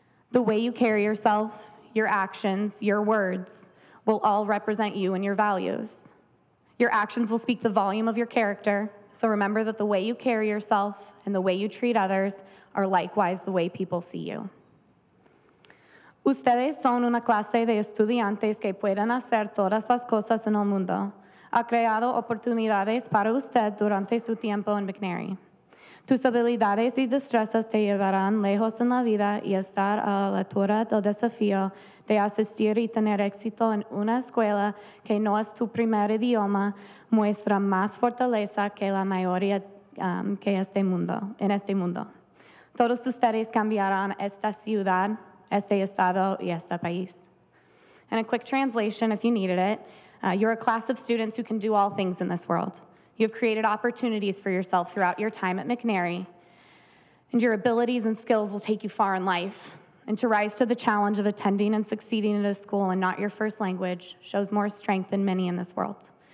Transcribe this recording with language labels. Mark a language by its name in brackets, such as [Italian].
[English] The way you carry yourself, your actions, your words will all represent you and your values. Your actions will speak the volume of your character, so remember that the way you carry yourself and the way you treat others are likewise the way people see you. [Spanish] Ustedes son una clase de estudiantes que pueden hacer todas las cosas en el mundo. Ha creado oportunidades para usted durante su tiempo en McNary. Tus habilidades y destrezas te llevarán lejos en la vida y estar a la altura del desafío de asistir y tener éxito en una escuela que no es tu primer idioma muestra más fortaleza que la mayoría que este mundo, en este mundo. Todos ustedes cambiarán esta ciudad, este estado y este país. [English] And a quick translation if you needed it. You're a class of students who can do all things in this world. You have created opportunities for yourself throughout your time at McNary, and your abilities and skills will take you far in life. And to rise to the challenge of attending and succeeding at a school and not your first language shows more strength than many in this world.